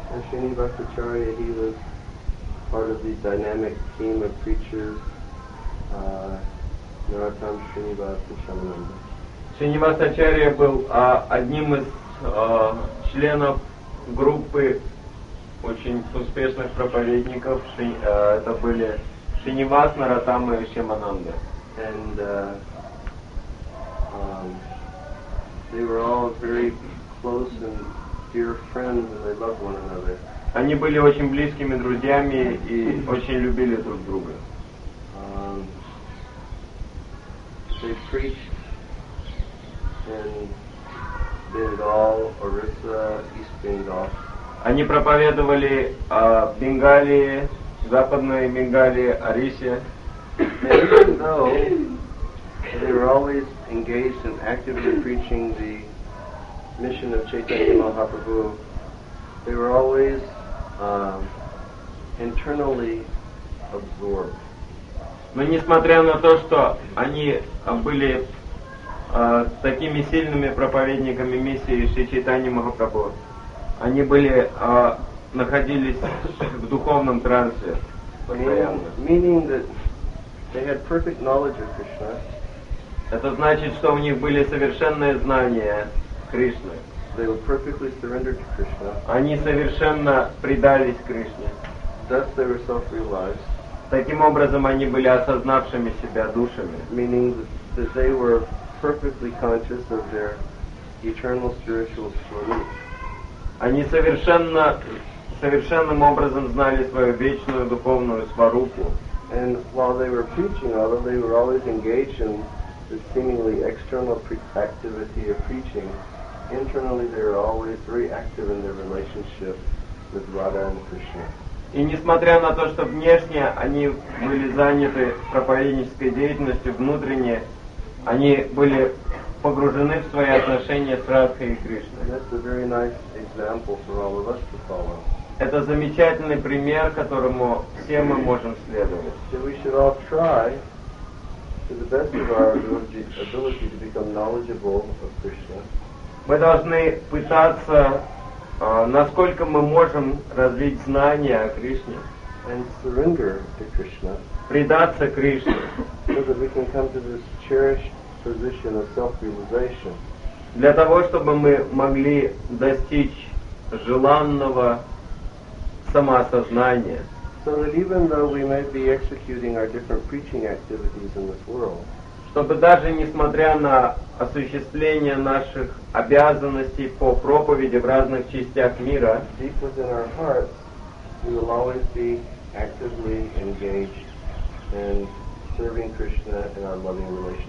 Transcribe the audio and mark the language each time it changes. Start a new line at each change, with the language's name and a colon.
English: Srinivasacharya, he was part of the dynamic team of preachers, Narottam Srinivasa Shamananda.
Russian: Srinivasacharya был одним из членов группы очень успешных проповедников. Это были Шринивас, Нараттам и Шамананда.
English: And they were all very close and dear friends, and they loved one another.
Russian: Они были очень близкими друзьями и очень любили друг друга.
English: They preached in Bengal, Orissa, East Bengal.
Russian: Они проповедовали Бенгалии, Западной Бенгалии, Орисе.
English: They were always engaged in actively preaching the mission of Chaitanya Mahaprabhu. They were always internally absorbed.
Russian: Но несмотря на то, что они были такими сильными проповедниками миссии Шри Чайтаньи Махапрабху, они были находились в духовном трансе постоянно.
English: Meaning that they had perfect knowledge of Krishna.
Russian: Это значит, что у них были совершенные знания Кришны.
English: They were perfectly surrendered to Krishna.
Russian: Они совершенно предались Кришне.
English: Thus they were self-realized.
Russian: Таким образом, они были осознавшими себя душами.
English: Meaning that they were perfectly conscious of their eternal spiritual swarup.
Russian: Они совершенным образом знали свою вечную духовную сварупу.
English: And while they were preaching, although they were always engaged in the seemingly external activity of preaching, internally they are always very active in their relationship with Radha and Krishna.
Russian: И несмотря на то, что внешне они были заняты проповеднической деятельностью, внутренне они были погружены в свои отношения с Радхой и Кришной.
English: That's a very nice example for all of us to follow.
Russian: Это замечательный пример, которому все мы можем следовать.
English: So we should all try to the best of our ability to become knowledgeable of Krishna.
Russian: Мы должны пытаться, насколько мы можем, развить знания о Кришне.
English: And surrender to Krishna.
Russian: Предаться Кришне.
English: So that we can come to this cherished position of self-realization.
Russian: Для того, чтобы мы могли достичь желанного самоосознания.
English: So that even though we may be executing our different preaching activities in this world,
Russian: чтобы даже несмотря на осуществление наших обязанностей по проповеди в разных частях мира,
English: deep within our hearts, we will always be actively engaged in serving Krishna in our loving relationship.